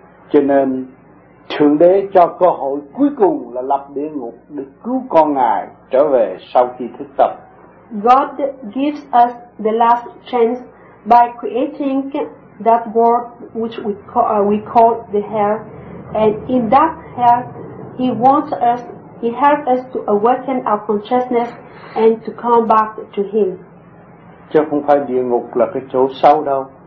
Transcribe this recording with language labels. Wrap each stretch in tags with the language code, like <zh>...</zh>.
<vi>Cho nên Thượng Đế cho cơ hội cuối cùng là lập địa ngục để cứu con Ngài trở về sau khi thức tập.</vi> <en>God gives us the last chance by creating that world which we call the hell, and in that hell he helps us to awaken our consciousness and to come back to him.</en> <vi>Chứ không phải địa ngục là cái chỗ xấu đâu.</vi>